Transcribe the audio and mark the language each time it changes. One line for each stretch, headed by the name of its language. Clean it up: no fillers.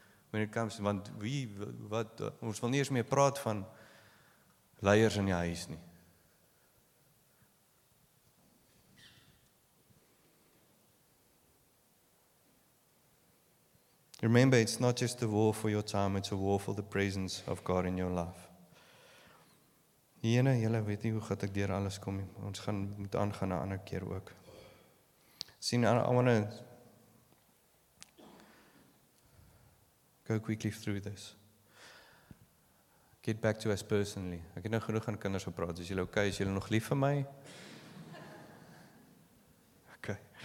English: When it comes,
Afrikaans: want wie, wat, ons wil nie eers meer praat van leiers in die huis nie.
English: Remember, it's not just a war for your time, it's a war for the presence of God in your life.
Afrikaans: Here, julle weet nie hoe gat ek deur alles kom. Ons gaan moet aangaan 'n ander keer ook.
English: Sien, I want to go quickly through this. Get back to us personally.
Afrikaans: Ek het nou genoeg aan kinders gepraat. Is julle okay? Is julle nog lief vir my?
English: Okay.